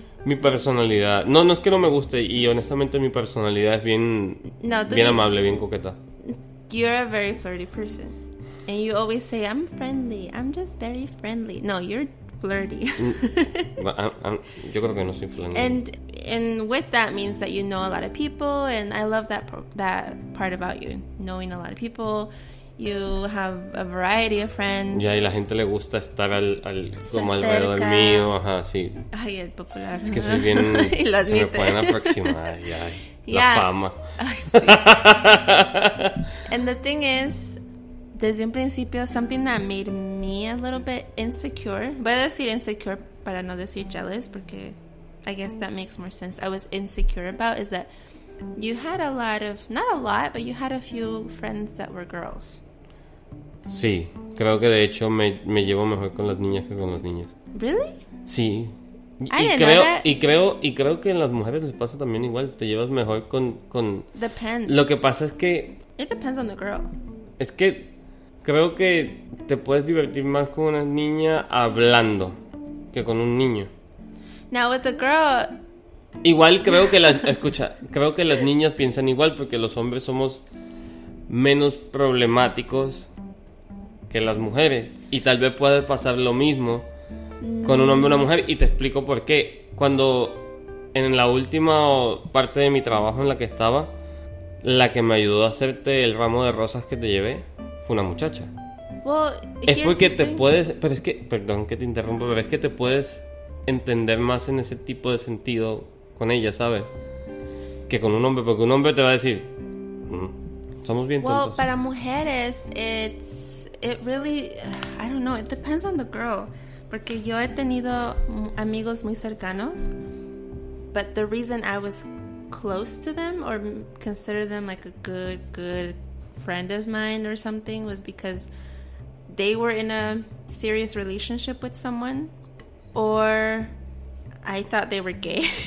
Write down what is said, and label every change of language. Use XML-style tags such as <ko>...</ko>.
<es>Mi personalidad, no es que no me guste, y honestamente mi personalidad es bien, no, bien amable, bien coqueta.</es> <en>You're a very flirty person. And you always say, I'm friendly, I'm just very friendly. No, you're flirty.</en> <es>yo creo que no soy flirty.</es> <en>And with that means that you know a lot of people, and I love that part about you, knowing a lot of people. You have a variety of friends.</en> <es>Ya, y la gente le gusta estar al como alrededor mío. Ajá, sí. Ay, el popular. Es que soy bien... y lo admite. Se me pueden aproximar. Ya, yeah. La fama. Ay, sí.</es> <en>And the thing is,</en> <es>desde un principio,</es> <en>something that made me a little bit insecure.</en> <es>Voy a decir insecure para no decir jealous, porque</es> <en>I guess that makes more sense. I was insecure about is that you had a lot of, not a lot, but you had a few friends that were girls.</en> <es>Sí, creo que de hecho me llevo mejor con las niñas que con los niños.</es> <en>Really?</en> <es>Sí. Y creo que en las mujeres les pasa también igual. Te llevas mejor con...</es> <en>Depends.</en> <es>Lo que pasa es que...</es> <en>It depends on the girl.</en> <es>Es que creo que te puedes divertir más con una niña hablando que con un niño.</es> <en>Now with the girl...</en> <es>Igual creo que las niñas piensan igual, porque los hombres somos menos problemáticos que las mujeres. Y tal vez puede pasar lo mismo con un hombre o una mujer. Y te explico por qué. Cuando en la última parte de mi trabajo en la que estaba, la que me ayudó a hacerte el ramo de rosas que te llevé fue una muchacha.</es> <en>Well,</en> <es>es porque te puedes... Pero es que... Perdón que te interrumpa, pero es que te puedes entender más en ese tipo de sentido con ella, ¿sabes? Que con un hombre, porque un hombre te va a decir, somos bien tontos.</es> <en>Well,</en> <es>para mujeres,</es> <en>I don't know, it depends on the girl.</en> <es>Porque yo he tenido amigos muy cercanos,</es> <en>but the reason I was close to them or consider them like a good friend of mine or something was because they were in a serious relationship with someone, or I thought they were gay.</en>